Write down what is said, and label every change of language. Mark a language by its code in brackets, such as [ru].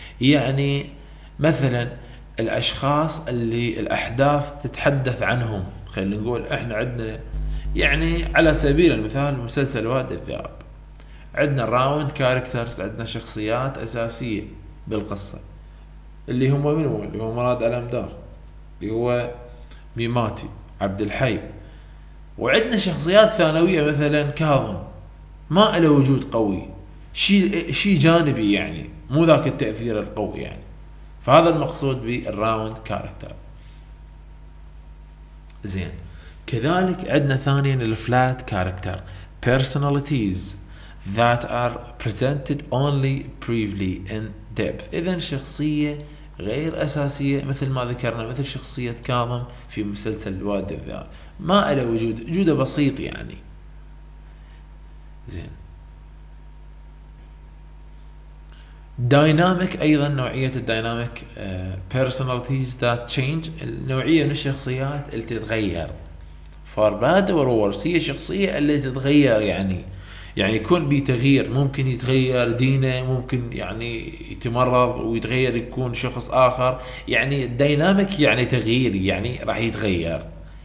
[ar] يعني مثلا الأشخاص اللي الأحداث تتحدث عنهم، خلينا نقول إحنا عندنا، يعني على سبيل المثال مسلسل وادي الذئاب، عندنا راوند كاركترز، عندنا شخصيات أساسية بالقصة، اللي هم من هو؟ اللي هو مراد علمدار، اللي هو ميماتي، عبد الحي، وعندنا شخصيات ثانويه مثلا كاظم ما له وجود قوي، شيء جانبي يعني، مو ذاك التاثير القوي يعني. فهذا المقصود بالراوند كاركتر. زين، كذلك عندنا ثانيا الفلات كاركتر، [en] personalities that are presented only briefly in depth. [ar] إذن شخصية غير أساسية مثل ما ذكرنا، مثل شخصية كاظم في مسلسل الواد الذئاب، ما له وجود، وجوده بسيط يعني. زين، dynamic أيضا نوعية الديناميك، [en] personalities that change، [ar] النوعية من الشخصيات التي تتغير، [en] for bad or worse، [ar] هي شخصية التي تتغير يعني، يعني يكون بتغيير، ممكن يتغير دينه، ممكن يعني يتمرض ويتغير يكون شخص آخر، يعني الديناميك يعني تغيير، يعني راح يتغير.